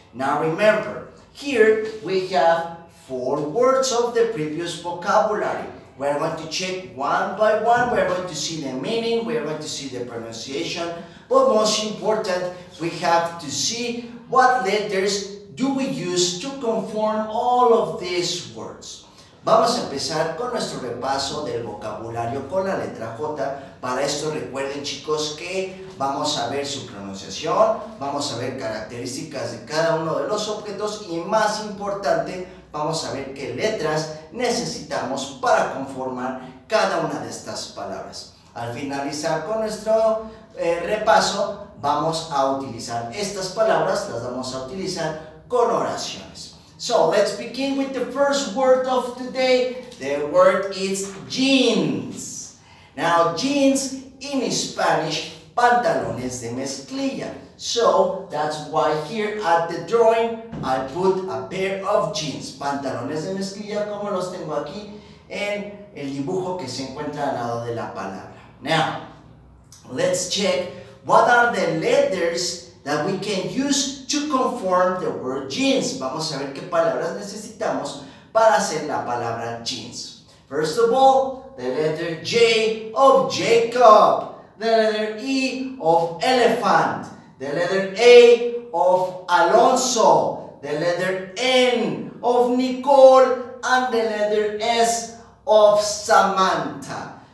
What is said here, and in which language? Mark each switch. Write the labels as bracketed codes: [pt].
[en] Now remember, here we have 4 words of the previous vocabulary. We're going to check one by one. We're going to see the meaning. We're going to see the pronunciation. But most important, we have to see what letters do we use to conform all of these words. [es] Vamos a empezar con nuestro repaso del vocabulario con la letra J. Para esto recuerden, chicos, que vamos a ver su pronunciación, vamos a ver características de cada uno de los objetos y, más importante, vamos a ver qué letras necesitamos para conformar cada una de estas palabras. Al finalizar con nuestro repaso, vamos a utilizar estas palabras, las vamos a utilizar con oraciones. [en] So, let's begin with the first word of today. The word is jeans. Now, jeans in Spanish, [es] pantalones de mezclilla. [en] So, that's why here at the drawing, I put a pair of jeans. [es] Pantalones de mezclilla, como los tengo aquí en el dibujo que se encuentra al lado de la palabra. [en] Now, let's check what are the letters that we can use to conform the word jeans. [es] Vamos a ver qué palabras necesitamos para hacer la palabra jeans. [en] First of all, the letter J of Jacob. The letter E of elephant. The letter A of Alonso. The letter N of Nicole. And the letter S of Samantha.